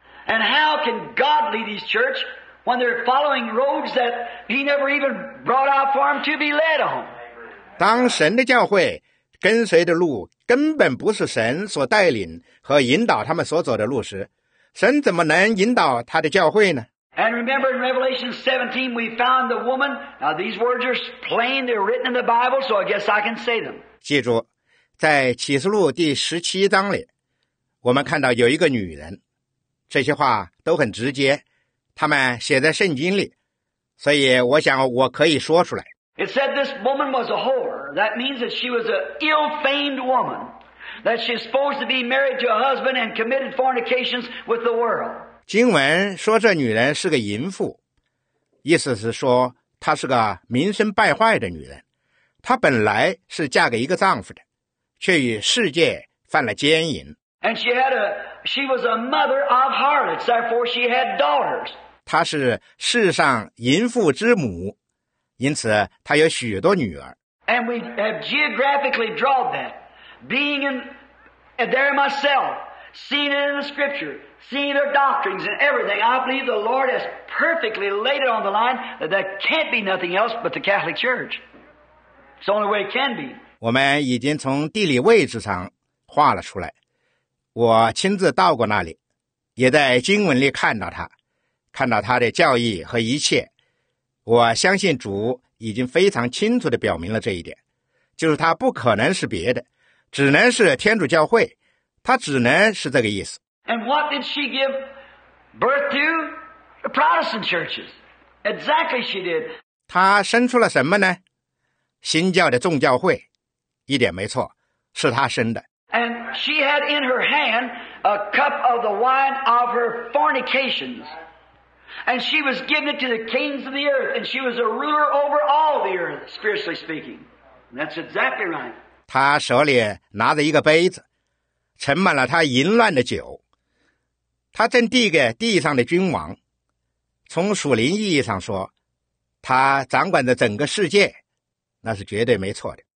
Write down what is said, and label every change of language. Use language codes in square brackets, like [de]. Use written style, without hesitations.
[en] And how can God lead his church when they're following roads that he never even brought out for them to be led on? [zh] 当神的教会跟随的路根本不是神所带领和引导他们所走的路时，神怎么能引导他的教会呢？ [en] And remember in Revelation 17, we found the woman. Now these words are plain, they're written in the Bible, so I guess I can say them. [zh] 记住，在启示录第十七章里，我们看到有一个女人，这些话都很直接，他们写在圣经里，所以我想我可以说出来。 [en] It said this woman was a whore. That means that she was an ill-famed woman. That she's supposed to be married to a husband and committed fornications with the world. [zh] 经文说这女人是个淫妇，意思是说她是个名声败坏的女人，她本来是嫁给一个丈夫的，却与世界犯了奸淫。 [en] And she was a mother of harlots, therefore she had daughters. [zh] 她是世上淫妇之母，因此她有许多女儿。 [en] And we have geographically drawn that, being in there myself, seeing it in the scripture. Seeing their doctrines and everything, I believe the Lord has perfectly laid it on the line that there can't be nothing else but the Catholic Church. It's the only way it can be. [zh] 我们已经从地理位置上画了出来。我亲自到过那里，也在经文里看到他，看到他的教义和一切。我相信主已经非常清楚地表明了这一点，就是他不可能是别的，只能是天主教会，他只能是这个意思。 [en] And what did she give birth to? The Protestant churches. Exactly she did. [zh] 她生出了什么呢？新教的众教会，一点没错，是她生的。 [en] And she had in her hand a cup of the wine of her fornications. And she was giving it to the kings of the earth. And she was a ruler over all the earth, spiritually speaking. That's exactly right. [zh] 她手里拿着一个杯子。盛满了他淫乱的酒，他正递给地上的君王。从属灵意义上说，他掌管着整个世界，那是绝对没错的。